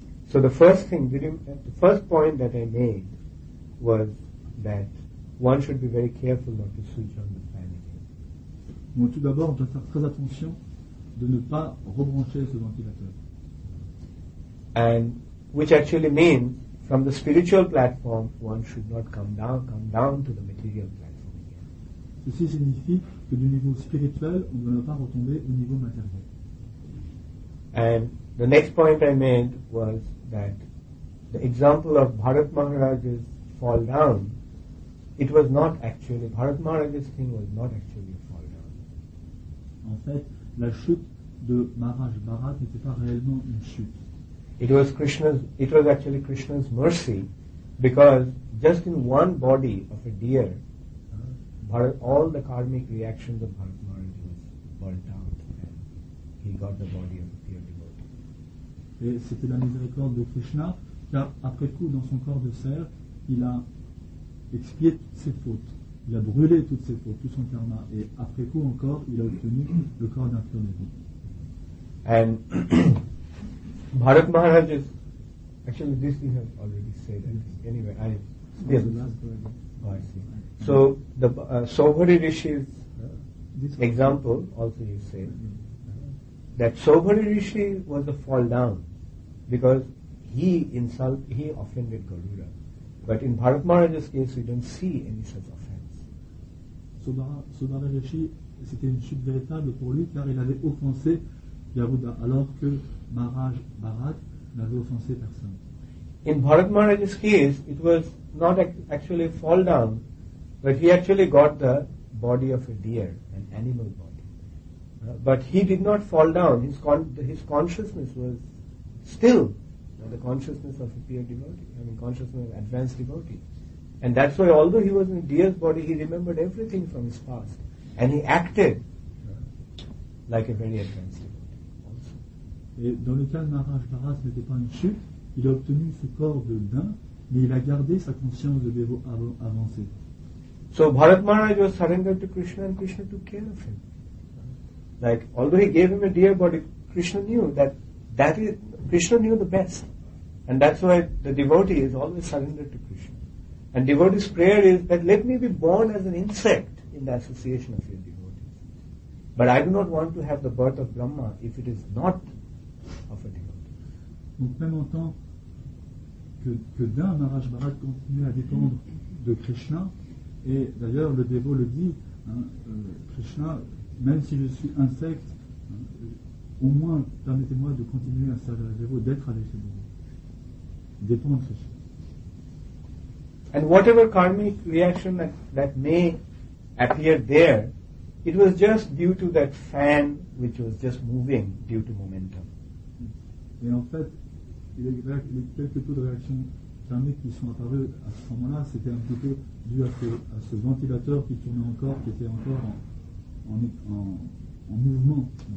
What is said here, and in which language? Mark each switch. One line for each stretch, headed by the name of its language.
English: So the first point that I made was that one should be very careful not to switch on the fan again.
French: Bon, tout d'abord, on doit faire très attention de ne pas rebrancher ce ventilateur.
English: And which actually means, from the spiritual platform, one should not come down to the material platform again.
French: Ceci signifie que du niveau spirituel, on ne doit pas retomber au niveau matériel.
English: And the next point I made was that the example of Bharat Maharaj's fall down, it was not actually, Bharat Maharaj's thing was not actually a fall down.
French: En fait, la chute de Maharaj Bharat n'était pas réellement une chute.
English: It was actually Krishna's mercy, because just in one body of a deer, all the karmic reactions of Bharat Maharaj was burnt out, and he got the body of a pure devotee.
French: Et c'était la miséricorde de Krishna, car après coup, dans son corps de serre, il a expié toutes ses fautes, il a brûlé toutes ses fautes, tout son karma, et après coup encore, il a obtenu le corps d'un
English: pure devotee. And Bharat Maharaj is actually this we have already said. Anyway, I still. Oh, I see. So the Saubhari Rishi's example also you said that Saubhari Rishi was a fall down because he offended Garuda, but in Bharat Maharaj's case we don't see any such offense.
French: Saubhari Rishi, c'était une chute véritable pour lui car il avait offensé Garuda, alors que Maharaj Bharat n'avait offensé personne.
English: In Bharat Maharaj's case, it was not actually a fall down, but he actually got the body of a deer, an animal body. But he did not fall down. His consciousness was still the consciousness of a pure devotee, I mean consciousness of an advanced devotee. And that's why although he was in a deer's body, he remembered everything from his past. And he acted like a very advanced devotee.
French: Et dans le cas de Maharaj Bharat, ce n'était pas une chute, il a obtenu ce corps de daim, mais il a gardé sa conscience de dévot avancé.
English: So Bharat Maharaj was surrendered to Krishna and Krishna took care of him. Like, although he gave him a deer body, Krishna knew that Krishna knew the best. And that's why the devotee is always surrendered to Krishna. And devotee's prayer is that let me be born as an insect in the association of your devotees. But I do not want to have the birth of Brahma if it is not of a devotee.
French: Donc même en tant que d'un Maharaj Bharat continue à dépendre de Krishna, et d'ailleurs le dévot le dit, hein, Krishna, même si je suis insecte, hein, au moins permettez-moi de continuer à servir le dévot, d'être avec le dévot. Dépend de Krishna.
English: And whatever karmic reaction that may appear there, it was just due to that fan which was just moving due to momentum.
French: Et en fait, les quelques taux de réaction karmiques qui sont apparus à ce moment-là, c'était un petit peu dû à ce ventilateur qui tournait encore, qui était encore en mouvement.